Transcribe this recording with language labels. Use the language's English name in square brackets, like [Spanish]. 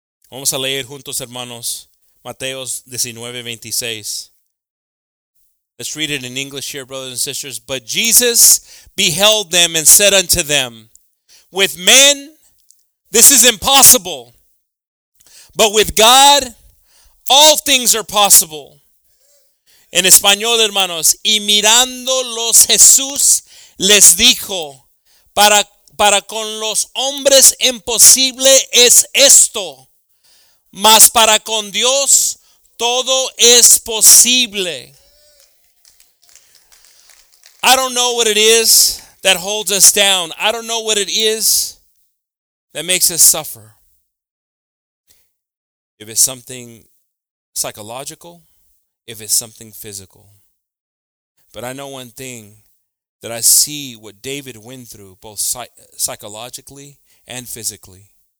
[Spanish] Vamos a leer juntos, hermanos, Mateo 19:26. [English] Let's read it in English here, brothers and sisters. But Jesus beheld them and said unto them, with men, this is impossible. But with God, all things are possible. [Spanish] En español, hermanos, y mirándolos Jesús les dijo, para con los hombres imposible es esto, mas para con Dios todo es posible. [English] I don't know what it is that holds us down. I don't know what it is that makes us suffer. If it's something psychological, if it's something physical. But I know one thing, that I see what David went through, both psychologically and physically.